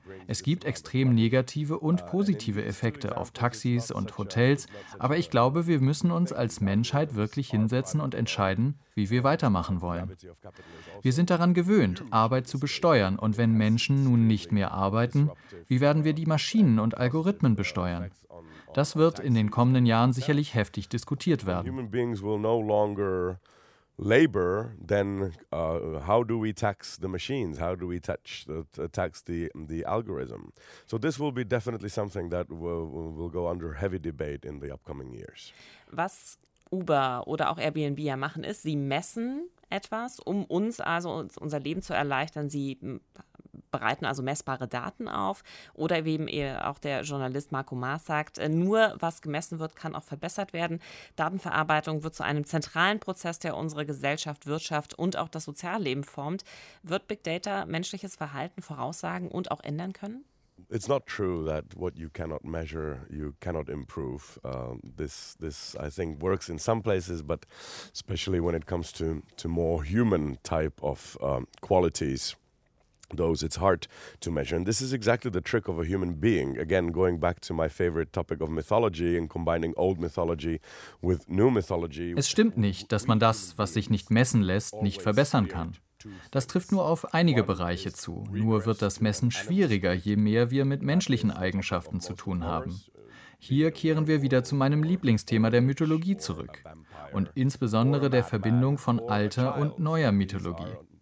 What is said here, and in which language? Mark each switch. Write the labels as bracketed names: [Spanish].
[German] Es gibt extrem negative und positive Effekte auf Taxis und Hotels, aber ich glaube, wir müssen uns als Menschheit wirklich hinsetzen und entscheiden, wie wir weitermachen wollen. Wir sind daran gewöhnt, Arbeit zu besteuern und wenn Menschen nun nicht mehr arbeiten, wie werden wir die Maschinen und Algorithmen besteuern? Das wird in den kommenden Jahren sicherlich heftig diskutiert werden. [English] Human beings will no longer labor, then how do we tax the machines? How do we tax the algorithm? So this will be definitely something that will go under heavy debate in the upcoming years. [German] Was Uber oder auch Airbnb ja machen ist, sie messen etwas, um uns also unser Leben zu erleichtern. Sie bereiten also messbare Daten auf. Oder wie eben auch der Journalist Marco Maas sagt, nur was gemessen wird, kann auch verbessert werden. Datenverarbeitung wird zu einem zentralen Prozess, der unsere Gesellschaft, Wirtschaft und auch das Sozialleben formt. Wird Big Data menschliches Verhalten voraussagen und auch ändern können? [English] It's not true that what you cannot measure, you cannot improve. This I think works in some places, but especially when it comes to more human type of qualities. Those it's hard to measure. And this is exactly the trick of a human being. Again, going back to my favorite topic of mythology and combining old mythology with new mythology. [German] Es stimmt nicht, dass man das, was sich nicht messen lässt, nicht verbessern kann. Das trifft nur auf einige Bereiche zu. Nur wird das Messen schwieriger, je mehr wir mit menschlichen Eigenschaften zu tun haben. Hier kehren wir wieder zu meinem Lieblingsthema der Mythologie zurück. Und insbesondere der Verbindung von alter und neuer Mythologie.